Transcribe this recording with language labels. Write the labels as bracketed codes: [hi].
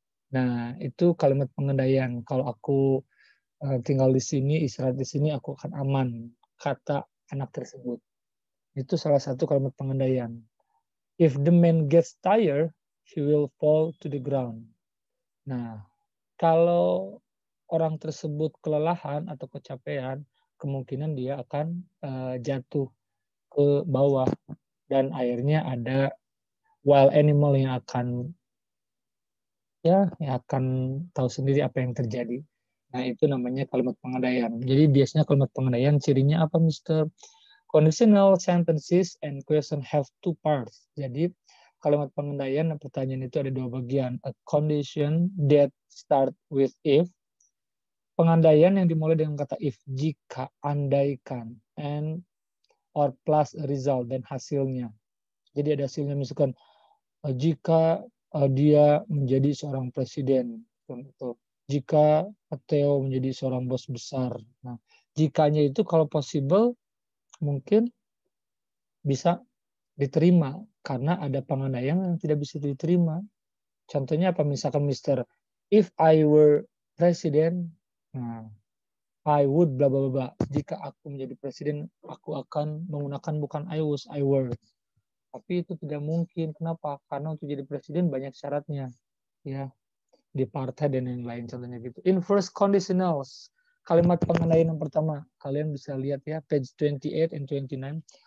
[id] Nah, itu kalimat pengandaian. Kalau aku tinggal di sini, istirahat di sini, aku akan aman. Kata anak tersebut. Itu salah satu kalimat pengandaian. [en] If the man gets tired, he will fall to the ground. [id] Nah, kalau orang tersebut kelelahan atau kecapean, kemungkinan dia akan jatuh ke bawah. Dan akhirnya ada [en] wild animal [id] yang akan ya, yang akan tahu sendiri apa yang terjadi. Nah, itu namanya kalimat pengandaian. Jadi biasanya kalimat pengandaian cirinya apa, Mr.? [en] Conditional sentences and question have two parts. [id] Jadi kalimat pengandaian dan pertanyaan itu ada dua bagian. [en] A condition that start with if. [id] Pengandaian yang dimulai dengan kata if, jika, andaikan, [en] and or plus result, [id] dan hasilnya. Jadi ada hasilnya, misalkan jika dia menjadi seorang presiden, contoh. Jika Theo menjadi seorang bos besar. Nah, jikanya itu kalau possible mungkin bisa diterima karena ada pengandaian yang tidak bisa diterima. Contohnya apa, misalkan Mr. [en] If I were president, nah, I would bla bla bla. [id] Jika aku menjadi presiden, aku akan menggunakan bukan [en] I was, I were. [id] Tapi itu tidak mungkin. Kenapa? Karena untuk jadi presiden banyak syaratnya. Ya. Di partai dan yang lain, contohnya gitu. Inverse conditionals, kalimat pengandaian yang pertama, kalian bisa lihat ya, [en] page 28 and 29.